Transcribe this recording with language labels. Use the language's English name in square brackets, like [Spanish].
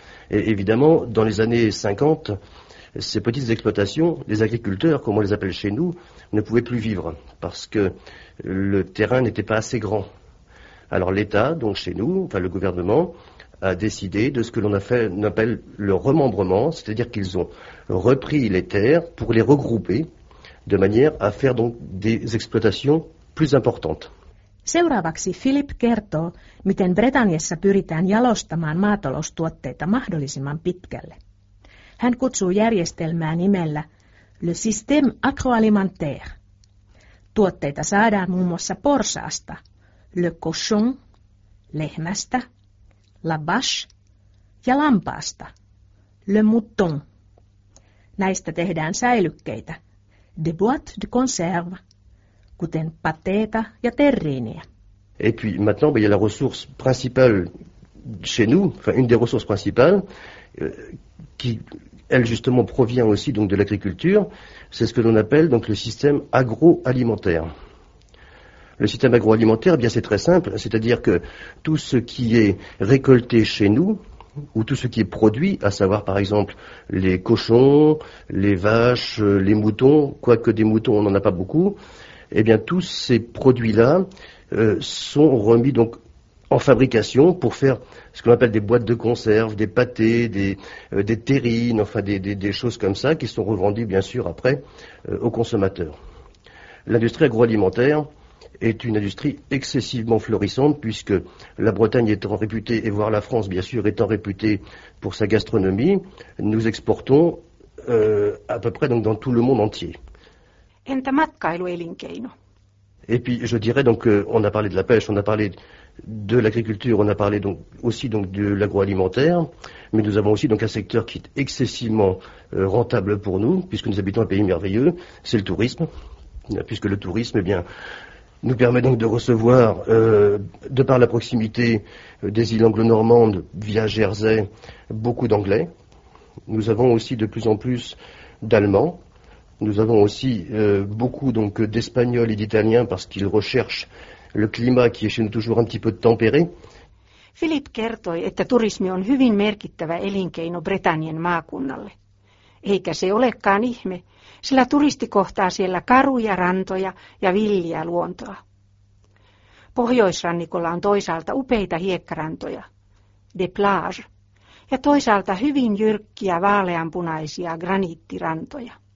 [French] Et évidemment, dans les années 50, ces petites exploitations, les agriculteurs, comme on les appelle chez nous, ne pouvaient plus vivre parce que le terrain n'était pas assez grand. Alors l'État, donc chez nous, enfin le gouvernement, a décidé de ce que l'on appelle le remembrement, c'est-à-dire qu'ils ont repris les terres pour les regrouper de manière à faire donc des exploitations plus importantes. [Finnish] Seuraavaksi Philip kertoo, miten Bretagnessa pyritään jalostamaan maataloustuotteita mahdollisimman pitkälle. Hän kutsuu järjestelmää nimellä [French] le système agroalimentaire. [Finnish] Tuotteita saadaan muun muassa porsaasta, [French] le cochon, [Finnish] lehmästä, [French] la vache [Finnish] ja lampaasta, [French] le mouton. [Finnish] Näistä tehdään säilykkeitä, [French] des boîtes de conserve, [Finnish] kuten pateeta ja terriiniä. [French] Et puis maintenant, il y a la ressource principale chez nous, enfin une des ressources principales, qui elle justement provient aussi donc de l'agriculture, c'est ce que l'on appelle donc le système agroalimentaire. Le système agroalimentaire, bien c'est très simple, c'est-à-dire que tout ce qui est récolté chez nous, ou tout ce qui est produit, à savoir par exemple les cochons, les vaches, les moutons, quoique des moutons on n'en a pas beaucoup, eh bien tous ces produits-là sont remis donc en fabrication pour faire ce qu'on appelle des boîtes de conserve, des pâtés, des terrines, enfin des choses comme ça, qui sont revendues bien sûr après aux consommateurs. L'industrie agroalimentaire est une industrie excessivement florissante, puisque la Bretagne étant réputée, et voire la France bien sûr étant réputée pour sa gastronomie, nous exportons à peu près donc dans tout le monde entier. [Finnish] Entä matkailuelinkeino? [French] Et puis je dirais donc on a parlé de la pêche, on a parlé de l'agriculture, on a parlé donc aussi donc de l'agroalimentaire, mais nous avons aussi donc un secteur qui est excessivement rentable pour nous, puisque nous habitons un pays merveilleux, c'est le tourisme, puisque le tourisme eh bien nous permet donc de recevoir, de par la proximité des îles anglo-normandes via Jersey, beaucoup d'Anglais. Nous avons aussi de plus en plus d'Allemands. Nous avons aussi beaucoup donc d'Espagnols et d'Italiens, parce qu'ils recherchent le climat qui est chez nous toujours un petit peu tempéré. [Finnish] Philippe kertoi, että turismi on hyvin merkittävä elinkeino Bretagnen maakunnalle. Eikä se olekaan ihme, sillä turisti kohtaa siellä karuja rantoja ja villiä luontoa. Pohjoisrannikolla on toisaalta upeita hiekkarantoja, [French] de plage, [Finnish] ja toisaalta hyvin jyrkkiä vaaleanpunaisia graniittirantoja.